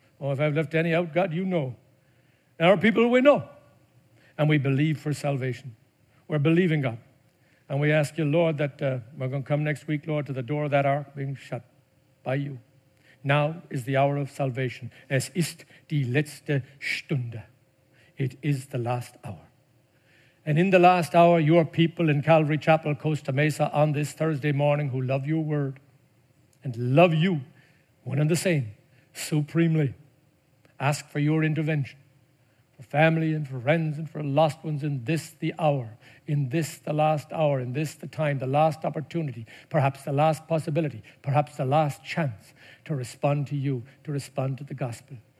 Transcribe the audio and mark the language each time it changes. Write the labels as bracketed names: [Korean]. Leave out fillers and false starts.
[English] And, oh, if I've left any out, God, you know. And our people we know. And we believe for salvation. We're believing, God. And we ask you, Lord, that we're going to come next week, Lord, to the door of that ark being shut by you. Now is the hour of salvation. [German] Es ist die letzte Stunde. [English] It is the last hour. And in the last hour, your people in Calvary Chapel, Costa Mesa, on this Thursday morning, who love your word and love you, one and the same, supremely, ask for your intervention. For family and for friends and for lost ones in this the hour, in this the last hour, in this the time, the last opportunity, perhaps the last possibility, perhaps the last chance to respond to you, to respond to the gospel.